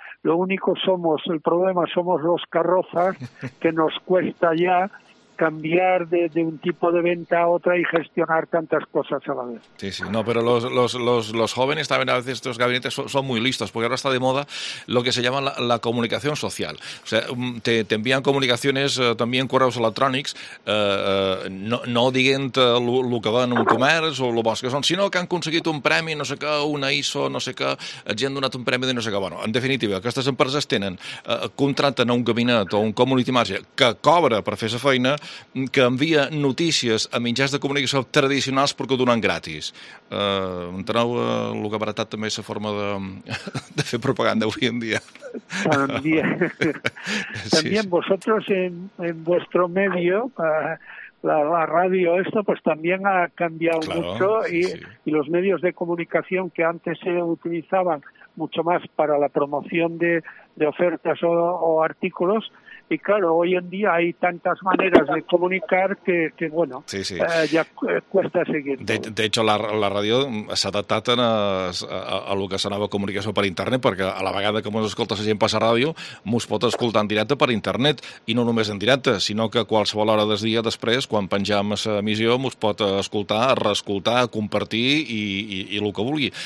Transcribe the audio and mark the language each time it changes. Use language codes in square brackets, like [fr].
[es] Lo único somos, el problema somos los carrozas, que nos cuesta ya cambiar de un tipo de venta a otra y gestionar tantas cosas a la vez. Sí, sí, no, pero los jóvenes también a veces estos gabinetes son muy listos, porque ahora está de moda lo que se llama la comunicación social. O sea, te envían comunicaciones, también [ca] correos electrònics, no diguent el que va en un comerç o el bosc que són, sinó que han aconseguit un premi, no sé què, una ISO, no sé què, els han donat un premi de no sé què. Bueno, en definitiva, aquestes empreses tenen, contracten a un gabinet o un community manager que cobra per fer la feina, que envia notícies a mitjans de comunicació tradicionals perquè ho donen gratis. Entreu el que ha baratat també la forma de fer propaganda avui en dia. També. Sí, també vosaltres en vostre medi, la ràdio, [es] esto pues también ha cambiado, claro, mucho, sí, y los medios de comunicación que antes se utilizaban mucho más para la promoción de ofertas o artículos. Y claro, hoy en día hay tantas maneras de comunicar que ya cuesta seguir. De hecho, [ca] la ràdio s'ha adaptat a lo que s'anava comunicació per internet, perquè a la vegada que mos escolta la gent per la ràdio, mos pot escoltar en directe per internet, i no només en directe, sinó que qualsevol hora del dia després, quan penjam la emissió, mos pot escoltar, reescoltar, compartir i el que vulgui.